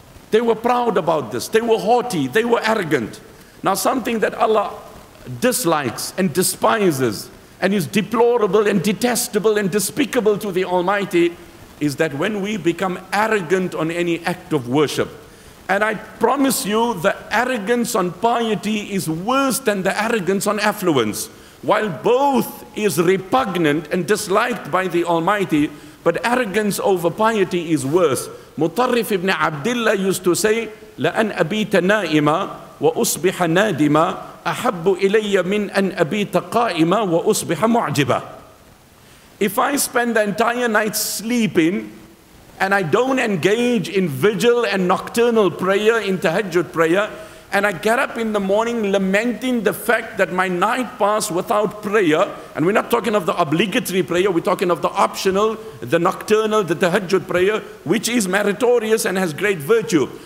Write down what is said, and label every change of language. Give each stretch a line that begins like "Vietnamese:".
English: They were proud about this. They were haughty. They were arrogant. Now, something that Allah dislikes and despises and is deplorable and detestable and despicable to the Almighty is that when we become arrogant on any act of worship. And I promise you, the arrogance on piety is worse than the arrogance on affluence. While both is repugnant and disliked by the Almighty, but arrogance over piety is worse. Mutarrif ibn Abdullah used to say,
Arabic: لَأَنْ أَبِيتَ نَائِمًا وَأُصْبِحَ نَادِمًا أَحَبُّ إِلَيَّ مِنْ أَنْ أَبِيتَ قَائِمًا وَأُصْبِحَ مُعْجِبًا.
English: If I spend the entire night sleeping and I don't engage in vigil and nocturnal prayer, in tahajjud prayer, and I get up in the morning lamenting the fact that my night passed without prayer, and we're not talking of the obligatory prayer, we're talking of the optional, the nocturnal, the tahajjud prayer, which is meritorious and has great virtue.